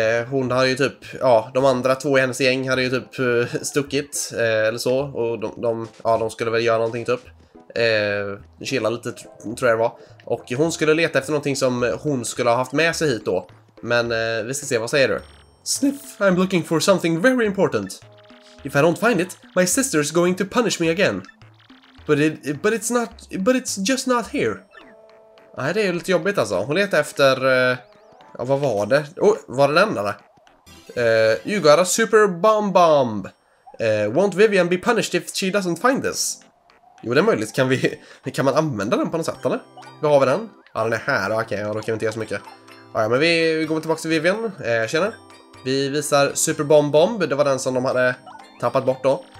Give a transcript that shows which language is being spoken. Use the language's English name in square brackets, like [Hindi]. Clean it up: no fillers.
[Swedish] Hon hade ju typ, de andra två i hennes gäng hade ju typ stuckit eller så. Och de skulle väl göra någonting typ. Chilla lite tror jag det var. Och hon skulle leta efter någonting som hon skulle ha haft med sig hit då. Men vi ska se, vad säger du? [English] Sniff, I'm looking for something very important. If I don't find it, my sister's going to punish me again. But it's just not here. [Swedish] Nej, det är ju lite jobbigt alltså. Hon letar efter... Ja, vad var det? Var det den där? [English] You got a super bomb. Won't Vivian be punished if she doesn't find this? [Swedish] Jo, det är möjligt. Kan man använda den på något sätt, eller? Vi har den. Ja, den är här. Okej, då kan vi inte göra så mycket. Ja, men vi går tillbaka till Vivian. Tjena. Vi visar super bomb. Det var den som de hade tappat bort då.